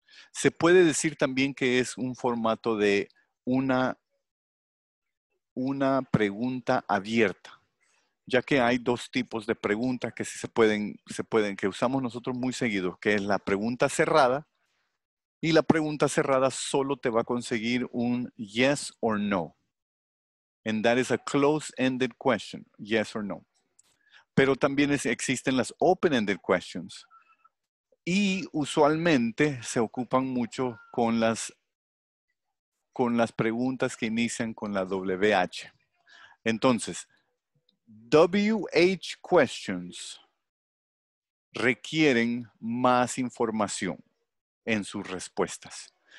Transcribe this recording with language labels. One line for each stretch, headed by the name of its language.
Spanish: Se puede decir también que es un formato de una pregunta abierta, ya que hay dos tipos de preguntas que se pueden, que usamos nosotros muy seguido, que es la pregunta cerrada, y la pregunta cerrada solo te va a conseguir un
English: yes or no. And that is a closed-ended question, yes or no.
Spanish: Pero también existen las
English: open-ended questions,
Spanish: y usualmente se ocupan mucho con las preguntas que inician con la WH. Entonces, WH questions requieren más información en sus respuestas.